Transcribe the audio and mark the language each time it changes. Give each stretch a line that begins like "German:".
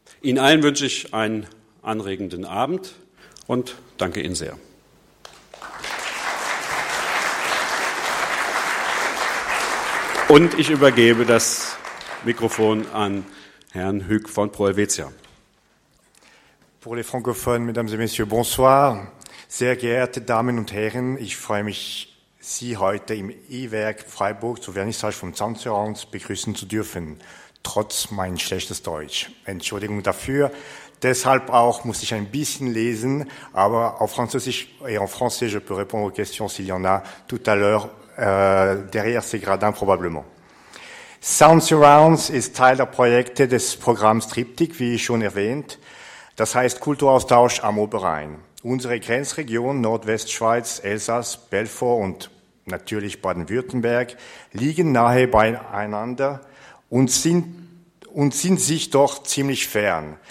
German: Ihnen allen wünsche ich einen anregenden Abend und danke Ihnen sehr. Und ich übergebe das Mikrofon an Herrn Hueck von Pro Helvetia.
French: Pour les francophones, mesdames et messieurs, bonsoir.
German: Sehr geehrte Damen und Herren, ich freue mich, Sie heute im E-Werk Freiburg zur Vernissage vom Zaunzerons begrüßen zu dürfen, trotz mein schlechtes Deutsch. Entschuldigung dafür. Deshalb auch muss ich ein bisschen lesen, aber auf Französisch
French: et en français, je peux répondre aux questions s'il y en a tout à l'heure. Derrière ces gradins probablement.
German: Sound Surrounds ist Teil der Projekte des Programms Triptych, wie schon erwähnt. Das heißt Kulturaustausch am Oberrhein. Unsere Grenzregion Nordwestschweiz, Elsass, Belfort und natürlich Baden-Württemberg liegen nahe beieinander und sind sich doch ziemlich fern.